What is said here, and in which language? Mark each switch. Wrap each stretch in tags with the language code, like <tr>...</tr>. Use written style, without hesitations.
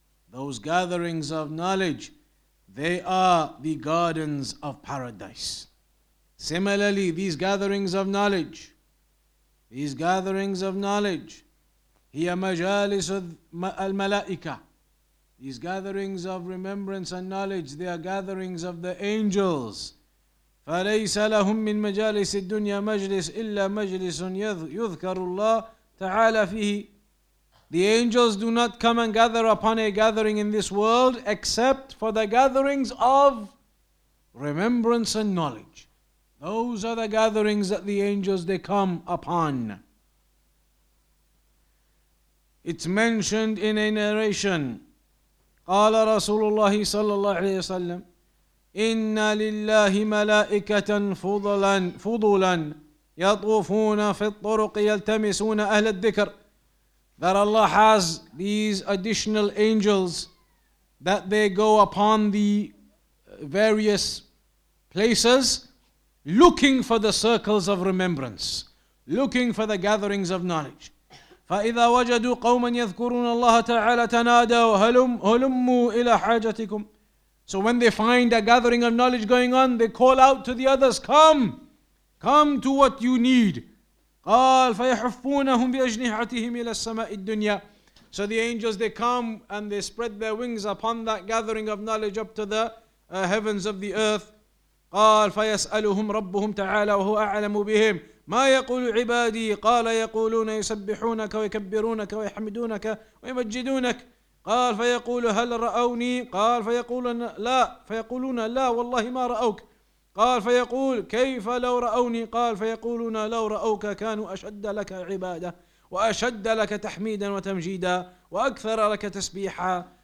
<en>Those gatherings of knowledge, they are the gardens of paradise. Similarly, these gatherings of knowledge, these gatherings of knowledge,</en> <ar>هي مجالس الملائكة.</ar> <en>These gatherings of remembrance and knowledge, they are gatherings of the angels.</en> <ar>فليس لهم من مجالس الدنيا مجلس إلا مجلس يذكر الله تعالى فيه.</ar> <en>The angels do not come and gather upon a gathering in this world except for the gatherings of remembrance and knowledge. Those are the gatherings that the angels, they come upon. It's mentioned in a narration.</en> <ar>قال رسول الله صلى الله عليه وسلم إن لله ملائكة فضلا يطوفون في الطرق يلتمسون أهل الذكر.</ar> <en>That Allah has these additional angels that they go upon the various places looking for the circles of remembrance, looking for the gatherings of knowledge.</en> <ar>فَإِذَا وَجَدُوا قَوْمًا يَذْكُرُونَ اللَّهَ تَعَالَى تَنَادَوْا هَلُمُّوا إِلَى حَاجَتِكُمْ.</ar> <en>So when they find a gathering of knowledge going on, they call out to the others, come to what you need.</en> <ar>قَالَ فَيَحُفُّونَهُمْ بِأَجْنِحَتِهِمْ إِلَى السَّمَاءِ الدُّنْيَا.</ar> <en>So the angels, they come and they spread their wings upon that gathering of knowledge up to the heavens of the earth.</en> <ar>قَالَ فَيَسْأَلُهُمْ رَبُّهُمْ تَعَالَى وَهُوَ أَعْلَمُ بِهِمْ. ما يقول عبادي قال يقولون يسبحونك ويكبرونك ويحمدونك ويمجدونك. قال فيقول هل رأوني؟ قال فيقولون لا. فيقولون لا والله ما رأوك. قال فيقول كيف لو رأوني؟ قال فيقولون لو رأوك كانوا أشد لك عبادة وأشد لك تحميدا وتمجيدا وأكثر لك تسبيحا.</ar>